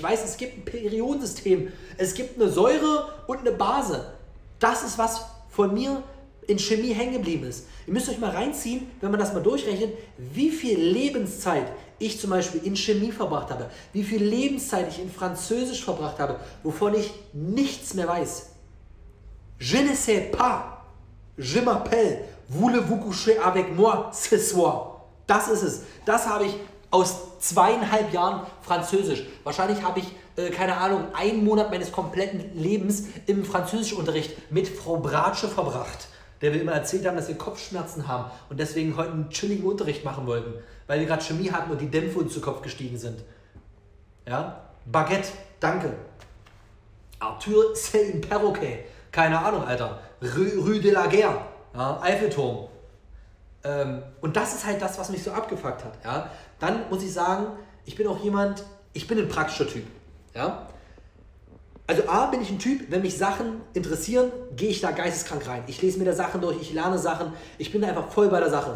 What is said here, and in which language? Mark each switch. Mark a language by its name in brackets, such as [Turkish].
[German] Ich weiß, es gibt ein Periodensystem, es gibt eine Säure und eine Base. Das ist, was von mir in Chemie hängen geblieben ist. Ihr müsst euch mal reinziehen, wenn man das mal durchrechnet, wie viel Lebenszeit ich zum Beispiel in Chemie verbracht habe, wie viel Lebenszeit ich in Französisch verbracht habe, wovon ich nichts mehr weiß. [French] Je ne sais pas, je m'appelle. Voulez-vous coucher avec moi ce soir? [German] Das ist es. Das habe ich aus 2,5 Jahren Französisch. Wahrscheinlich habe ich, keine Ahnung, einen Monat meines kompletten Lebens im Französischunterricht mit Frau Bratsche verbracht. Der will immer erzählt haben, dass wir Kopfschmerzen haben und deswegen heute einen chilligen Unterricht machen wollten, weil wir gerade Chemie hatten und die Dämpfe uns zu Kopf gestiegen sind. Ja? Baguette, danke. [French] Arthur, c'est un perroquet. [German] Keine Ahnung, Alter. Rue de la Guerre. Ja, Eiffelturm. Und das ist halt das, was mich so abgefuckt hat. Ja? Dann muss ich sagen, ich bin ein praktischer Typ. Ja? Also A, bin ich ein Typ, wenn mich Sachen interessieren, gehe ich da geisteskrank rein. Ich lese mir da Sachen durch, ich lerne Sachen, ich bin da einfach voll bei der Sache.